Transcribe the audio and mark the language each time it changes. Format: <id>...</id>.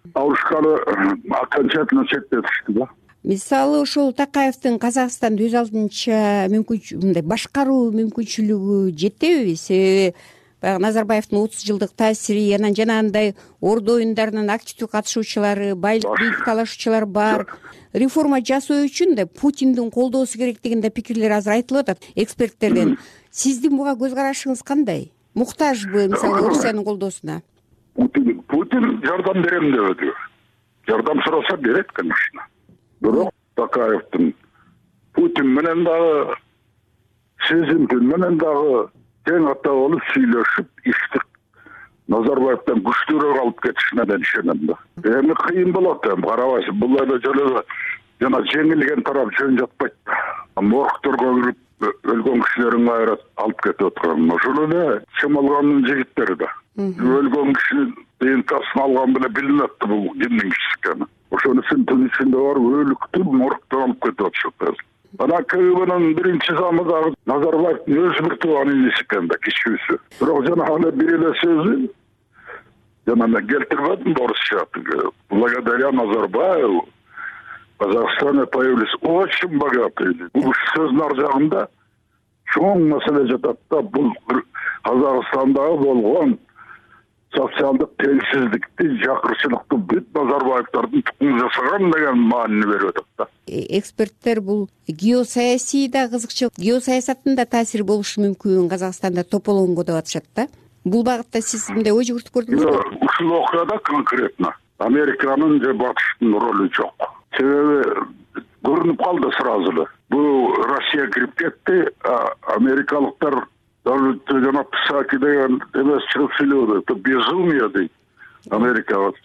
<ky>Алышканы окончательно чектетишти да. Мисалы ушул Токаевдин Казакстанды өз алдынча мындай башкаруу мүмкүнчүлүгү жетеби? Себеби баягы Назарбаевдин 30 жылдык таасири, анан жанагындай ордо оюндарынын активдүү катышуучулары, бийлик талашуучулар бар. Реформа жасоо үчүн да Путиндин колдоосу керек деген да пикирлер азыр айтылып атат эксперттерден. Сиздин буга көз карашыңыз кандай? Муктажбы мисалы Орусиянын колдоосуна? Путин жардам берем дебеди. Жардам сураса берет, конечно. Бирок Токаевдин Путин менен дагы, Си Цзиньпин менен дагы тең ата болуп сүйлөшүп, ишти Назарбаевден күчтүүрөөк алып кетишине мен ишенем да. Эми кыйын болот эми, карабайсың, бул эле жөнө жана жеңилген тарап жөн жатпайт да. Моргторго кирип өлгөн кишилерин кайра алып кетип аткан. Ошол эле чымылганын жигиттери да. Өлгөн кишинин ДНКсын алган беле билинет да бул кимдин кишиси экени. Ошонусун түн ичинде барып өлүктү моргтон алып кетип атышат азыр. Анан КГБнын биринчи заму дагы Назарбаевдин өзү бир тууган иниси экен да, кичүүсү. Бирок жанагы эле бир эле сөзү жанына келтирбедим орусча.</ky> <ru>Благодаря Назарбаеву Казахстанда появились очень богатые.</ru> <ky>Бул сөздүн ар жагында чоң маселе жатат да, бул Казахстанда болгон социалдык теңсиздикти, жакырчылыкты бүт Назарбаевдардын тукуму жасаган деген маанини берип атат да. Эксперттер бул геосаясий да кызыкчы, геосаясаттын да таасири болушу мүмкүн Казахстанда тополонго деп атышат да. Бул багытта сиз мындай ой жүгүртүп көрдүңүзбү? Жок, ушул окуяда конкретно Американын же Батыштын ролу жок. Себеби көрүнүп калды сразу эле. Бул Россия кирип кетти, америкалыктар даже жанап Псаки деген эмес чыгып сүйлөбү. Это безумие дейт Америка.</ky>